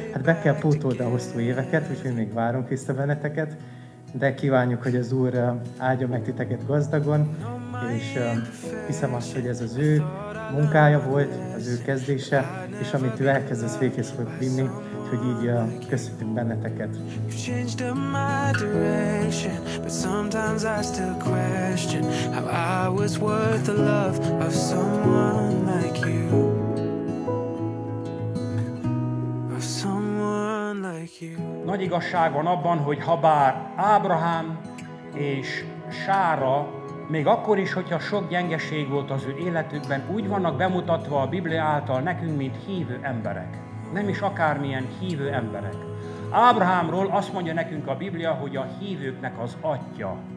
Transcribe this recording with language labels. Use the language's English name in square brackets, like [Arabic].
[Hungarian] Hát be kell pótold a hosszú éveket, úgyhogy még várunk vissza benneteket. De kívánjuk, hogy az Úr áldja meg titeket gazdagon, és hiszem azt, hogy ez az ő munkája volt, az ő kezdése, és amit ő elkezd, az véghez fog vinni, hogy így köszöntünk benneteket. [English] You changed my direction, but sometimes I still question how I was worth the love of someone like you. Of someone like you. [Hungarian] Nagy igazság van abban, hogy habár Ábrahám és Sára még akkor is, hogyha sok gyengeség volt az ő életükben, úgy vannak bemutatva a Biblia által nekünk, mint hívő emberek. Nem is akármilyen hívő emberek. Ábrahámról azt mondja nekünk a Biblia, hogy a hívőknek az atya.